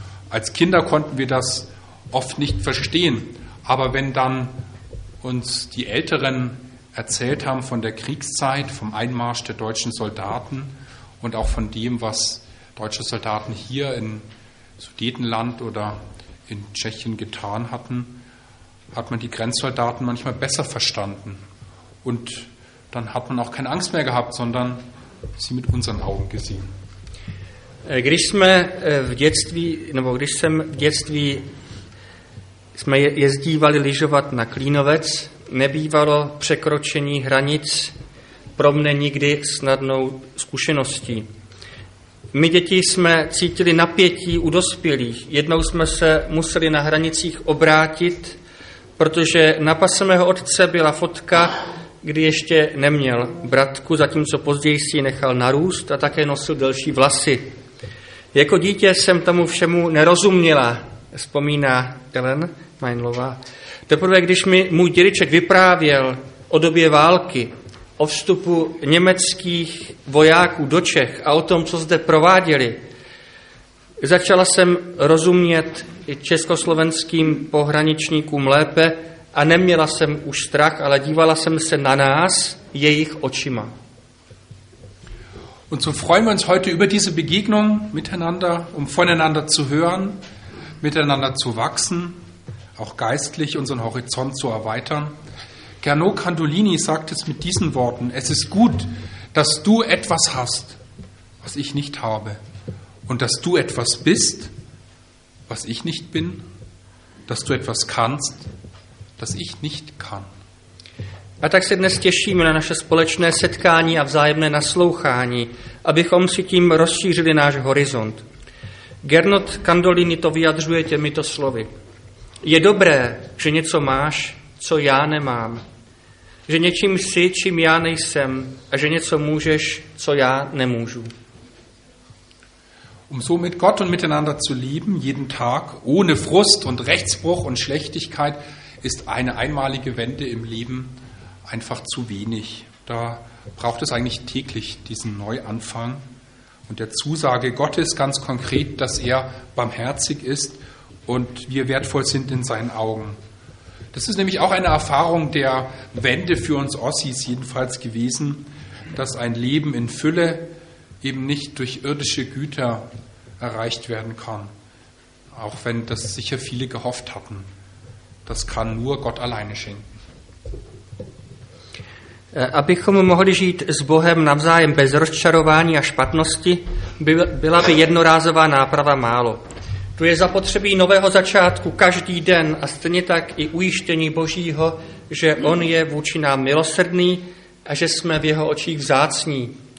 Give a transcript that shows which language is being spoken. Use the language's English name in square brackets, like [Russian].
[German] Als Kinder konnten wir das oft nicht verstehen, aber wenn dann uns die Älteren erzählt haben von der Kriegszeit, vom Einmarsch der deutschen Soldaten und auch von dem, was deutsche Soldaten hier in Sudetenland oder in Tschechien getan hatten, hat man die Grenzsoldaten manchmal besser verstanden. Und dann hat man auch keine Angst mehr gehabt, sondern sie mit unseren Augen gesehen. [Czech] Když jsme v dětství, nebo když jsem v dětství, jsme jezdívali lyžovat na Klínovec, nebývalo překročení hranic pro mne nikdy snadnou zkušeností. My děti jsme cítili napětí u dospělých. Jednou jsme se museli na hranicích obrátit, protože na pase mého otce byla fotka, kdy ještě neměl bratku, zatímco později si ji nechal narůst a také nosil delší vlasy. Jako dítě jsem tomu všemu nerozuměla, vzpomíná Ellen Meinlová. Teprve když mi můj dědeček vyprávěl o době války, o vstupu německých vojáků do Čech a o tom, co zde prováděli, začala jsem rozumět československým pohraničníkům lépe a neměla jsem už strach, ale dívala jsem se na nás jejich očima. [German] Und so freuen wir uns heute über diese Begegnung miteinander, um voneinander zu hören, miteinander zu wachsen, auch geistlich unseren Horizont zu erweitern. Gernot Candolini sagt es mit diesen Worten: Es ist gut, dass du etwas hast, was ich nicht habe, und dass du etwas bist, was ich nicht bin, dass du etwas kannst, das ich nicht kann. [Czech] A tak se dnes těšíme na naše společné setkání a vzájemné naslouchání, abychom si tím rozšířili náš horizont. Gernot Candolini to vyjadřuje těmito slovy. Je dobré, že něco máš, co já nemám. Že něčím jsi, čím já nejsem. A že něco můžeš, co já nemůžu. [German] Um so mit Gott und miteinander zu lieben, jeden Tag, ohne Frust und Rechtsbruch und Schlechtigkeit, ist eine einmalige Wende im Leben einfach zu wenig. Da braucht es eigentlich täglich diesen Neuanfang und der Zusage Gottes ganz konkret, dass er barmherzig ist und wir wertvoll sind in seinen Augen. Das ist nämlich auch eine Erfahrung der Wende für uns Ossis jedenfalls gewesen, dass ein Leben in Fülle eben nicht durch irdische Güter erreicht werden kann, auch wenn das sicher viele gehofft hatten. Das kann nur Gott alleine schenken. [Czech] Abychom mohli žít s Bohem navzájem bez rozčarování a špatnosti, byla by jednorázová náprava málo. Tu je zapotřebí nového začátku každý den a stejně tak i ujištění Božího, že On je vůči nám milosrdný a že jsme v jeho očích vzácní.